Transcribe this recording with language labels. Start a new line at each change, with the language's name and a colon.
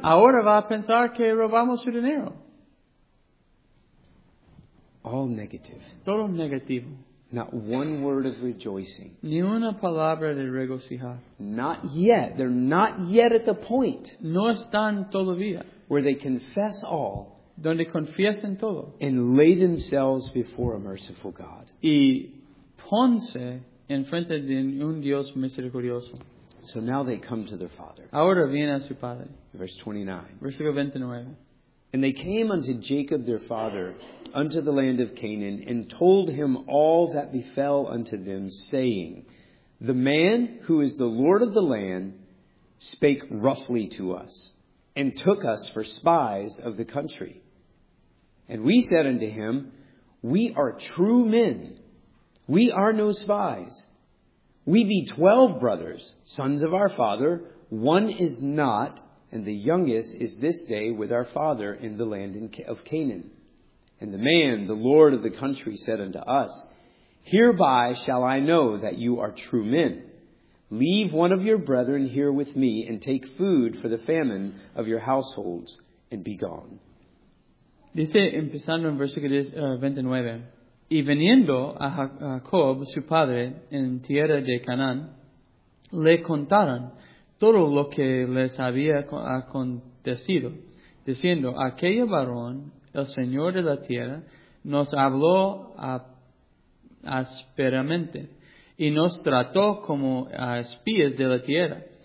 Spanish: Ahora va a pensar que robamos su dinero.
English: All negative.
Spanish: Todo negativo.
English: Not one word of rejoicing.
Spanish: Ni una palabra de regocijar.
English: Not yet. They're not yet at the point.
Spanish: No están todavía.
English: Where they confess all.
Spanish: Donde confiesan todo.
English: And lay themselves before a merciful God.
Spanish: Y ponse en frente de un Dios misericordioso.
English: So now they come to their father.
Spanish: Ahora viene a su padre.
English: Verse 29.
Spanish: Versículo 29.
English: And they came unto Jacob their father, unto the land of Canaan, and told him all that befell unto them, saying, The man who is the Lord of the land spake roughly to us, and took us for spies of the country. And we said unto him, We are true men, we are no spies. We be 12 brothers, sons of our father, one is not. And the youngest is this day with our father in the land of Canaan. And the man, the lord of the country, said unto us, Hereby shall I know that you are true men. Leave one of your brethren here with me, and take food for the famine of your households, and be gone.
Spanish: Dice, empezando en versículo 29, Y viniendo a Jacob, su padre, en tierra de Canaán, le contaron todo lo que les había acontecido, diciendo, aquello varón, el Señor de la tierra, nos habló ásperamente, y nos trató como a espías de la tierra.